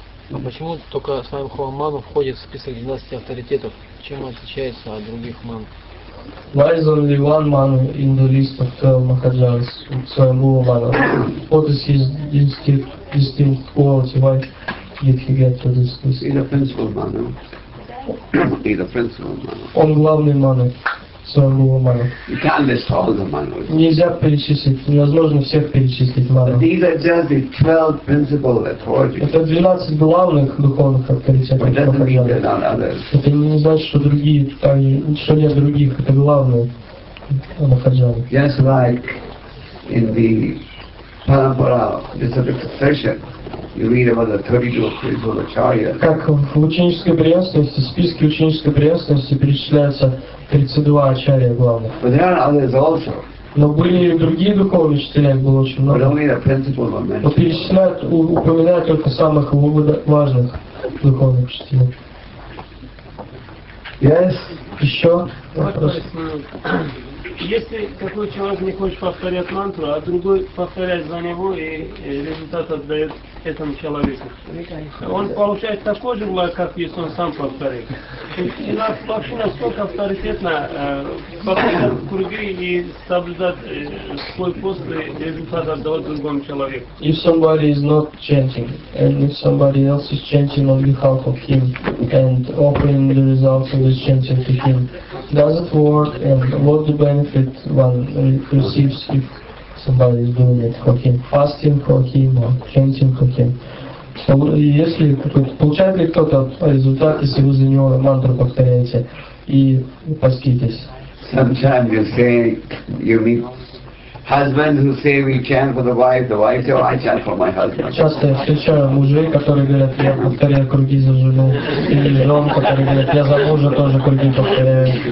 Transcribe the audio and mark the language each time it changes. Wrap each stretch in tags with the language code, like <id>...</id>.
<ru>А почему только Свами Бхава Ману входит в список 12 авторитетов? Чем отличается от других ман?</ru> <en>Why is only one man in the list of 12 Mahajans?</en> <ru>Свами Бхава Ману.</ru> <en>What is his distinct quality? Why did he get to this list? He's a principal man. be the principal mana.</en> <ru>Он главный мана, самого мана.</ru> <en>You can't list all the manas.</en> <ru>Нельзя перечислить, невозможно всех перечислить мана.</ru> <en>These are just the 12 principal authorities.</en> <ru>Это 12 главных духовных авторитетов. Это не значит, что другие, что нет других, это главные махаджаны.</ru> <en>Just like in the Parampara, this is a succession. You read about the 32 principal acharyas.</en> <ru>Как в ученической преемственности, в списке ученической преемственности перечисляются 32 ачарья главных.</ru> <en>But there are others also.</en> <ru>Но были и другие духовные учителя, их было очень много.</ru> <en>But only the principal were mentioned.</en> <ru>Но перечисляют, упоминают только самых важных духовных учителей.</ru> <en>Yes?</en> <ru>Еще вопрос. Если какой человек не хочет повторять мантру, а другой повторяет за него и результат отдает этому человеку, он получает такой же благ, как если он сам повторит. И нас вообще настолько авторитетно повторять в круге и соблюдать свой пост и результат отдавать другому человеку.</ru> <en>If somebody is not chanting, and if somebody else is chanting on behalf of him and offering the results of this chanting to him, does it work and what the benefit one receives if somebody is doing it for him, fasting for him or chanting for him?</en> <ru>So, если получает ли кто-то результат, если вы за него мантру повторяете и поститесь?</ru> <en>Sometimes you say, you meet husbands who say we chant for the wife say, oh, I chant for my husband.</en> <ru>Часто я встречаю мужей, которые говорят, я повторяю круги за жену, или жен, которые говорят, я за мужа тоже круги повторяю.</ru>